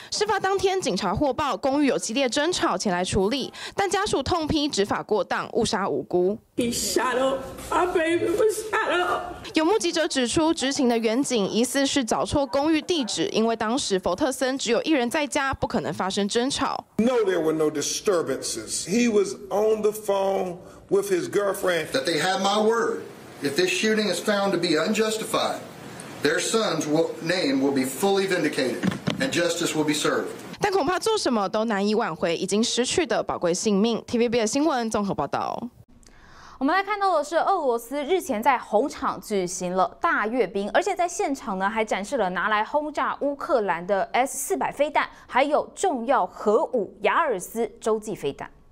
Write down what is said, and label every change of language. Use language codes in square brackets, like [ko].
[zh] 事发当天，警察获报公寓有激烈争吵，前来处理，但家属痛批执法过当，误杀无辜。有目击者指出，执勤的员警疑似是找错公寓地址，因为当时佛特森只有一人在家，不可能发生争吵。 [en] No, there were no disturbances. He was on the phone with his girlfriend. That they have my word. If this shooting is found to be unjustified, their son's name will be fully vindicated and justice will be served. [zh] 但恐怕做什么都难以挽回已经失去的宝贵性命。 TVB 的新闻综合报道。我们来看到的是，俄罗斯日前在红场举行了大阅兵，而且在现场呢还展示了拿来轰炸乌克兰的 S-400 飞弹，还有重要核武雅尔斯洲际飞弹。